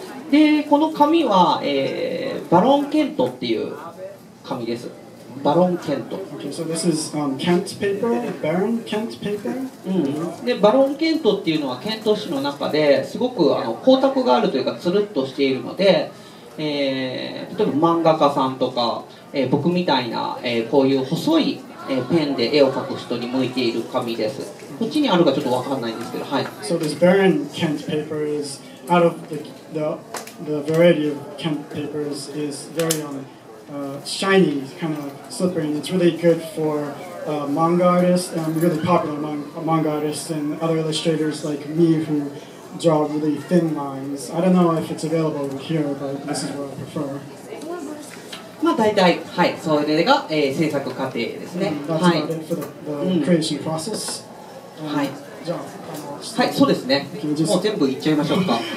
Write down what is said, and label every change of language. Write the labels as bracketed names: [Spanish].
[Japanese] で、この紙は、バロンケントっていう紙です。バロンケント。 [English] Okay, so this is Kent paper, Baron Kent paper. [Japanese] で、バロンケントっていうのはケント紙の中ですごくあの光沢があるというかつるっとしているので、例えば漫画家さんとか、僕みたいな、こういう細い、ペンで絵を描く人に向いている紙です。こっちにあるかちょっとわかんないんですけど、はい。 [English] So this Baron Kent paper is out of the variety of Kent papers is very onShiny, kind of slippery, and it's really good for manga artists and really popular manga artists and other illustrators like me who draw really thin lines. I don't know if it's available here, but this is what I prefer. [Japanese] まあ大体はい、それが、制作過程ですね。 [English] That's about it for the creation process. [Japanese] はい。はい、そうですね。もう全部いっちゃいましょうか。